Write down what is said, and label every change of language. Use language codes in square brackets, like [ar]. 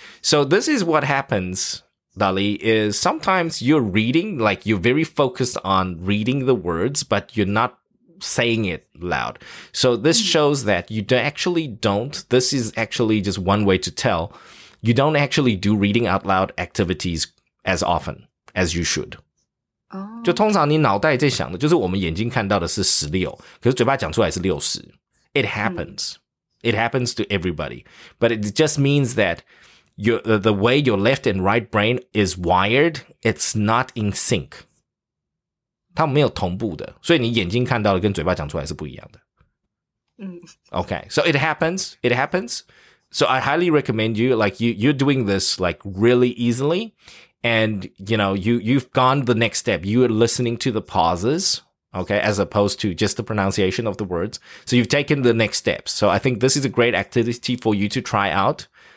[en] So this is what happens, Dali, is sometimes you're reading, like you're very focused on reading the words, but you're not saying it loud. So this shows that you this is actually just one way to tell, you don't actually do reading out loud activities as often as you should. [zh] 就通常你脑袋在想的就是我们眼睛看到的是16，可是嘴巴讲出来是60。 [en] It happens、嗯、It happens to everybody, but it just means thatthe way your left and right brain is wired, it's not in sync. [zh] 它没有同步的，所以你眼睛看到的跟嘴巴讲出来是不一样的。嗯。 [en] Okay, so it happens, it happens. So I highly recommend you, like, you're doing this, like, really easily. And, you know, you've gone the next step. You are listening to the pauses, okay, as opposed to just the pronunciation of the words. So you've taken the next step. So I think this is a great activity for you to try out.